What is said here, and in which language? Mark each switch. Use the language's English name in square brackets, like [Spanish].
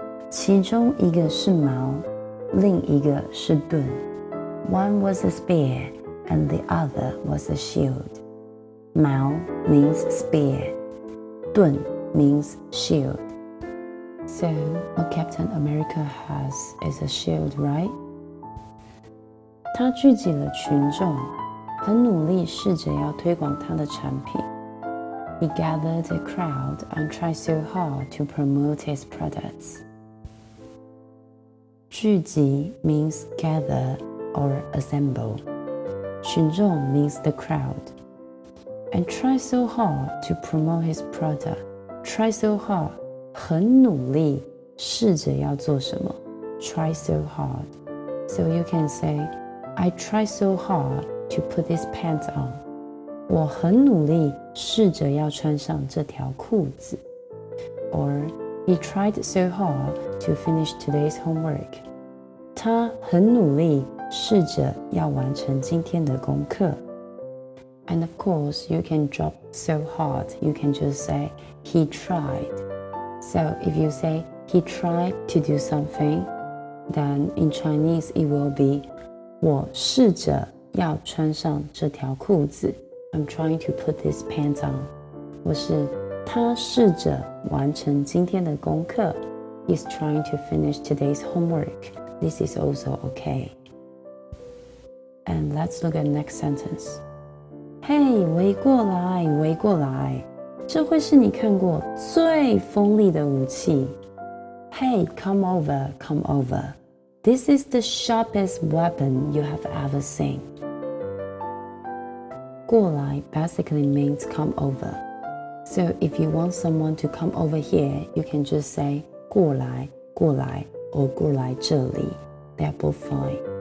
[Chinese] 其中一个是矛，另一个是盾。 [English] One was a spear, and the other was a shield. 矛 means spear. 盾 means shield. So, what Captain America has is a shield, right? [Chinese] 他聚集了群众。很努力试着要推广他的产品。 [English] He gathered a crowd and tried so hard to promote his products. 聚集 means gather or assemble. 群众 means the crowd. And try so hard to promote his product. Try so hard, [Chinese] 很努力试着要做什么。 [English] Try so hard. So you can say, I try so hard. To put this pants on. [Chinese] 我很努力试着要穿上这条裤子。 [English] Or, he tried so hard to finish today's homework. [Chinese] 他很努力试着要完成今天的功课。 [English] And of course, you can drop so hard, you can just say, he tried. So, if you say, he tried to do something, then in Chinese, it will be, [Chinese] 我试着要穿上这条裤子 [English] I'm trying to put this pants on [Chinese] 或是他试着完成今天的功课 [English] He's trying to finish today's homework This is also okay And let's look at next sentence [Chinese] Hey, 围过来，围过来这会是你看过最锋利的武器 [English] Hey, come over, come over This is the sharpest weapon you have ever seen 过来 basically means come over. So if you want someone to come over here, you can just say [Chinese] 过来过来 [English] or [Chinese] 过来这里 [English] They're both fine.